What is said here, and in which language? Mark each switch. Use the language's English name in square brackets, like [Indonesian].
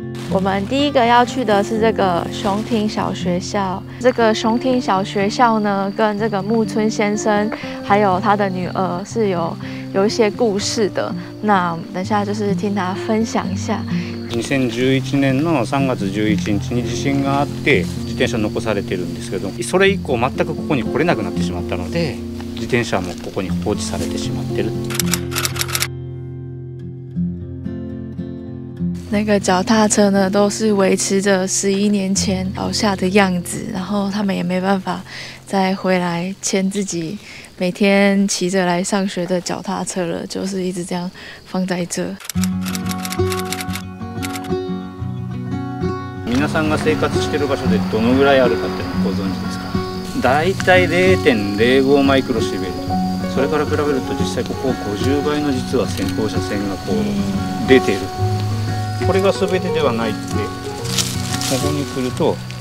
[Chinese] 我们第一个要去的是这个熊町小学校。这个熊町小学校呢，跟这个木村先生还有他的女儿是有一些故事的，那等下就是听他分享一下。 [Japanese] 2011年の3月11日に地震があって自転車残されてるんですけど、それ以降全くここに来れなくなってしまったので、自転車もここに放置されてしまってる。 [Chinese] 那个脚踏车呢，都是维持着11年前倒下的样子，然后他们也没办法再回来牵自己每天骑着来上学的脚踏车了，就是一直这样放在这。 [Japanese] 皆さんが生活してる場所でどのぐらいあるかってご存知ですか？大体 0.05 マイクロシベルト。それから比べると実際ここ50倍の実は先放射線がこう出てる。これが全てではないって、ここに来ると、